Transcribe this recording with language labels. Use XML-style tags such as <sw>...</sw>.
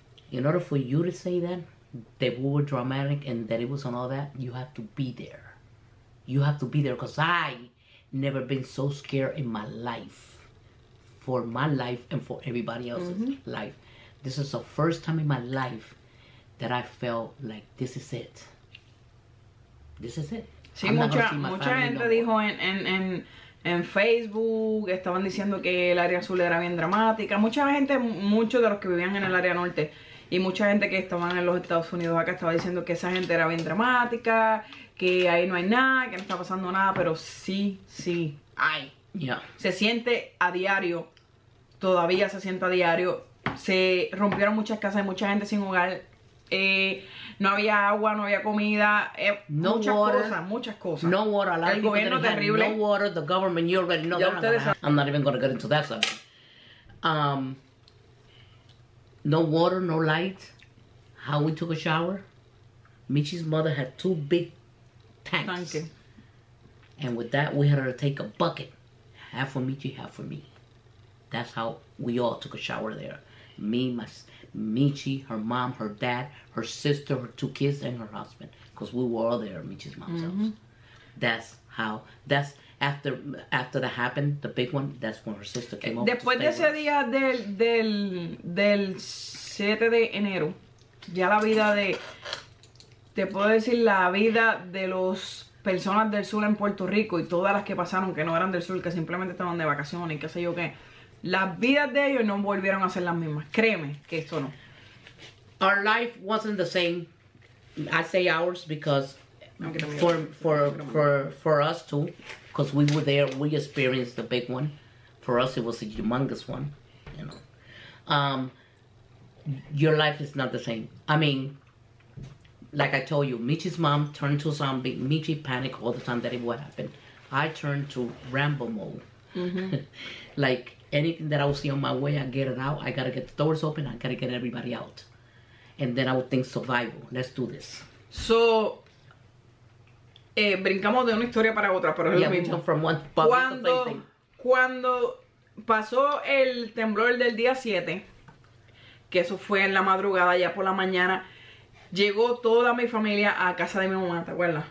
<en>In order for you to say that we were dramatic and that it wasn't all that, you have to be there. You have to be there because I never been so scared in my life, for my life and for everybody else's mm-hmm. life. This is the first time in my life that I felt like this is it.</en> <es>Sí, mucha gente dijo en Facebook, estaban diciendo que el área azul era bien dramática. Mucha gente, muchos de los que vivían en el área norte y mucha gente que estaban en los Estados Unidos acá estaba diciendo que esa gente era bien dramática, que ahí no hay nada, que no está pasando nada, pero sí. Ay, ya. Yeah. Se siente a diario, todavía se siente a diario. Se rompieron muchas casas y mucha gente sin hogar. No había agua, no había comida, muchas cosas.</es> <en>No water, a lot</en> <es>el</es> <en>of</en> <es>gobierno terrible.</es> <en>No water, the government, you already know that. I'm not even going to get into that subject. No water, no light. How we took a shower. Michi's mother had two big tanks. Thank you. And with that, we had her take a bucket. Half for Michi, half for me. That's how we all took a shower there. Michi, her mom, her dad, her sister, her two kids, and her husband. Because we were all there, Michi's mom's mm-hmm. house. That's after that happened, the big one, that's when her sister came over.</en> <es>Después de ese día del 7 de enero, ya la vida de, te puedo decir, la vida de las personas del sur en Puerto Rico y todas las que pasaron, que no eran del sur, que simplemente estaban de vacaciones y qué sé yo qué, las vidas de ellos no volvieron a ser las mismas. Créeme que esto no.</es> <en>Our life wasn't the same. I say ours because for us too, because we were there, we experienced the big one. For us, it was a humongous one. You know, your life is not the same. I mean, like I told you, Michi's mom turned to zombie. Michi panicked all the time that it would happen. I turned to Rambo mode. Mm-hmm. Like, anything that I would see on my way, I get it out. I gotta get the doors open. I gotta get everybody out. And then I would think survival. Let's do this.</en> <es>So, brincamos de una historia para otra, pero es</es> <en>yeah,</en> <es>lo mismo.</es> <en>From one</en> <es>bubble, cuando pasó el temblor del día 7, que eso fue en la madrugada, ya por la mañana, llegó toda mi familia a casa de mi mamá, ¿te acuerdas?</es>